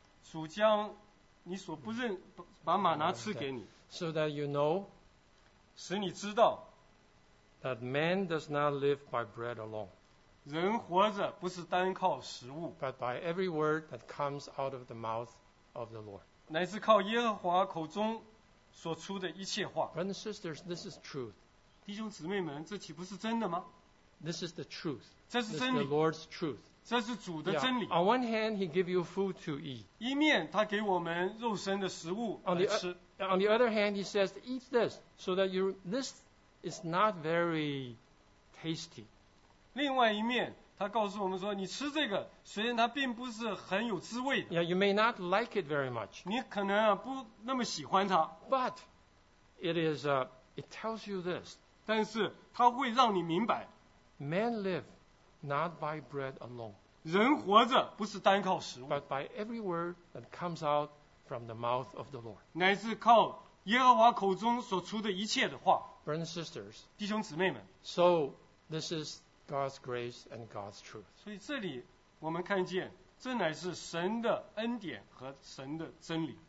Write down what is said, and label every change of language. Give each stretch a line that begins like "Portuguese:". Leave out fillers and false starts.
Chinese: 主将你所不认把玛拿赐给你。
English: So that you know,
Chinese: 使你知道
English: that man does not live by bread alone.
Chinese: 人活着不是单靠食物。
English: But by every word that comes out of the mouth of the Lord.
Chinese: 乃是靠耶和华口中所出的一切话。
English: Brothers and sisters, this is truth.
Chinese: 弟兄姊妹们，这岂不是真的吗？
English: This is the truth.
Chinese: 这是真理。
English: This is the Lord's truth.
Chinese: 这是主的真理。
English: Yeah, on one hand, he give you food to eat.
Chinese: 一面他给我们肉身的食物来吃。
English: On the other hand, he says, eat this, so that you, this is not very tasty.
Chinese: 另外一面他告诉我们说，你吃这个，虽然它并不是很有滋味的。
English: Yeah, you may not like it very much.
Chinese: 你可能啊不那么喜欢它。
English: But it is, it tells you this.
Chinese: 但是它会让你明白。
English: Man live not by bread alone.
Chinese: 人活着不是单靠食物。
English: But by every word that comes out from the mouth of the Lord.
Chinese: 乃是靠耶和华口中所出的一切的话。
English: Brothers and sisters.
Chinese: 弟兄姊妹们。
English: So this is God's grace and God's truth.
Chinese: 所以这里我们看见，这乃是神的恩典和神的真理。